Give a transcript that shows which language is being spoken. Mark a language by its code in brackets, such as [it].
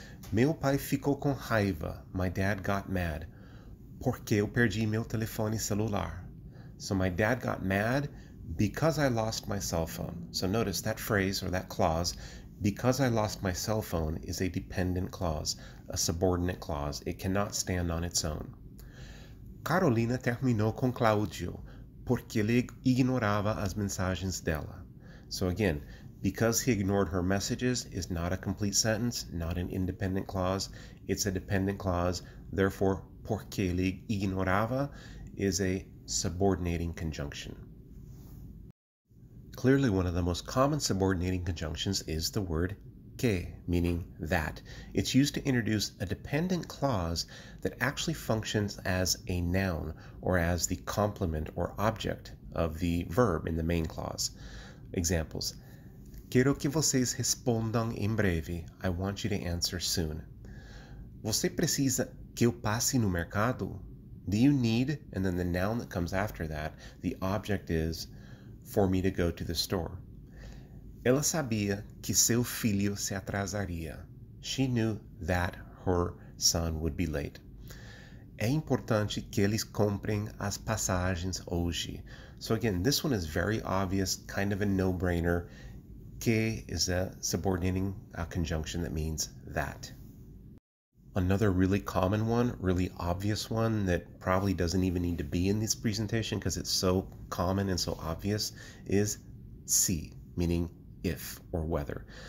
[pt] Meu pai ficou com raiva. [en] My dad got mad. [pt] Porque eu perdi meu telefone celular. [en] So my dad got mad because I lost my cell phone. So notice that phrase or that clause, because I lost my cell phone, is a dependent clause, a subordinate clause. It cannot stand on its own. [pt] Carolina terminou com Cláudio porque ele ignorava as mensagens dela. [en] So again, because he ignored her messages is not a complete sentence, not an independent clause. It's a dependent clause. Therefore, [pt] porque ele ignorava [en] is a subordinating conjunction. Clearly, one of the most common subordinating conjunctions is the word que, meaning that. It's used to introduce a dependent clause that actually functions as a noun or as the complement or object of the verb in the main clause. [pt] Examples. Quero que vocês respondam em breve. [en] I want you to answer soon. [pt] Você precisa que eu passe no mercado? [en] Do you need? And then the noun that comes after that, the object is for me to go to the store. [pt] Ela sabia que seu filho se atrasaria. [en] She knew that her son would be late. [pt] É importante que eles comprem as passagens hoje. [en] So again, this one is very obvious, kind of a no-brainer. Que is a subordinating conjunction that means that. Another really common one, really obvious one, that probably doesn't even need to be in this presentation because it's so common and so obvious, is se, meaning if or whether.